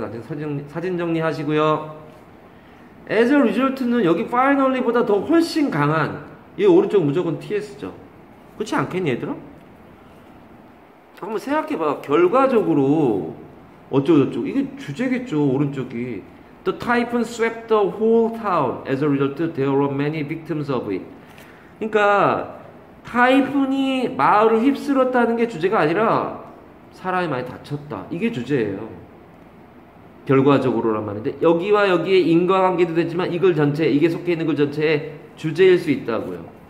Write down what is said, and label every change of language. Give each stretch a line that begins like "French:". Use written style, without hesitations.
Korean: 나중에 사진 정리하시고요. As a result는 여기 finally보다 더 훨씬 강한 이 오른쪽 무조건 TS죠. 그렇지 않겠니 얘들아? 한번 생각해봐. 결과적으로 어쩌고저쩌고 이게 주제겠죠. 오른쪽이
English: The typhoon swept the whole town. As a result, there were many victims of it.
Korean: 그러니까 타이푼이 마을을 휩쓸었다는 게 주제가 아니라 사람이 많이 다쳤다. 이게 주제예요. 결과적으로란 말인데 여기와 여기에 인과관계도 되지만 이걸 전체, 이게 속해 있는 걸 전체에 주제일 수 있다고요.